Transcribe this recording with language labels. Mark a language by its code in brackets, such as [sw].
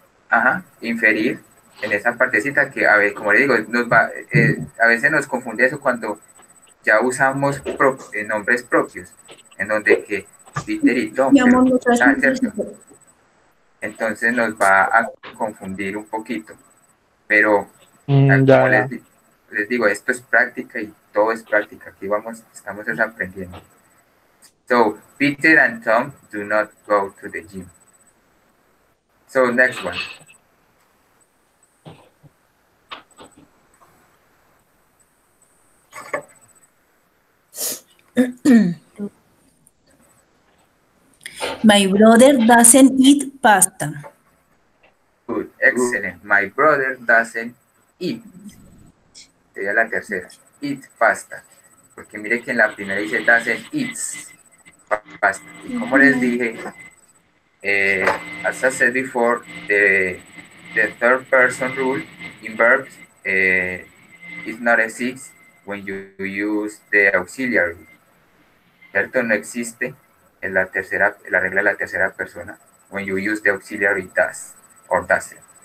[es] Ajá, inferir en esa partecita que, a ver, como le digo, nos va, a veces nos confunde eso cuando ya usamos nombres propios, en donde que Peter y Tom, ¿cierto? Entonces nos va a confundir un poquito, pero como les digo, esto es práctica y todo es práctica, aquí vamos, estamos aprendiendo. [en] So, Peter and Tom do not go to the gym. So, next one. My brother doesn't eat pasta. Good, excellent. My brother doesn't eat. [es] Sería la tercera. [en] Eat pasta. [es] Porque mire que en la primera dice doesn't eat pasta. Y como les dije, [en] as I said before, the third person rule in verbs is not exist when you use the auxiliary. [es] ¿Cierto? No existe en la tercera, la regla de la tercera persona. [en] When you use the auxiliary does or doesn't.